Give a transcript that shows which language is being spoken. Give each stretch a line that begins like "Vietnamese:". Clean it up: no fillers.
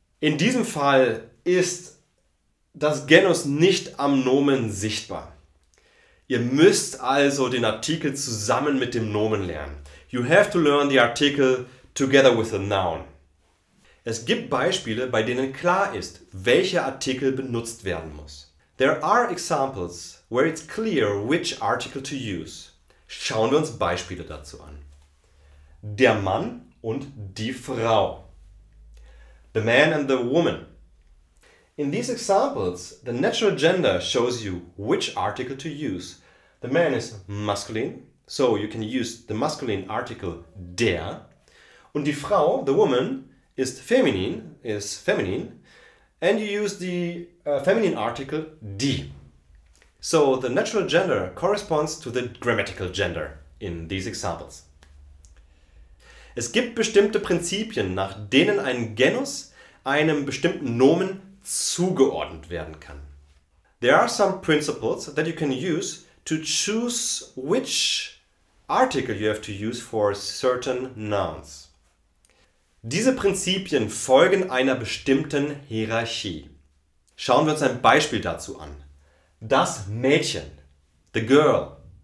German: In diesem Fall ist das Genus nicht am Nomen sichtbar. Ihr müsst also den Artikel zusammen mit dem Nomen lernen.
English: You have to learn the article together with the noun.
German: Es gibt Beispiele, bei denen klar ist, welcher Artikel benutzt werden muss.
English: There are examples where it's clear which article to use.
German: Schauen wir uns Beispiele dazu an. Der Mann und die Frau.
English: The man and the woman. In these examples, the natural gender shows you which article to use. The man is masculine, so you can use the masculine article der.
German: Und die Frau,
English: the woman, is feminine, and you use the feminine article die. So the natural gender corresponds to the grammatical gender in these examples.
German: Es gibt bestimmte Prinzipien, nach denen ein Genus einem bestimmten Nomen zugeordnet werden kann.
English: There are some principles that you can use to choose which article you have to use for certain nouns.
German: Diese Prinzipien folgen einer bestimmten Hierarchie. Schauen wir uns ein Beispiel dazu an. Das Mädchen.
English: The girl.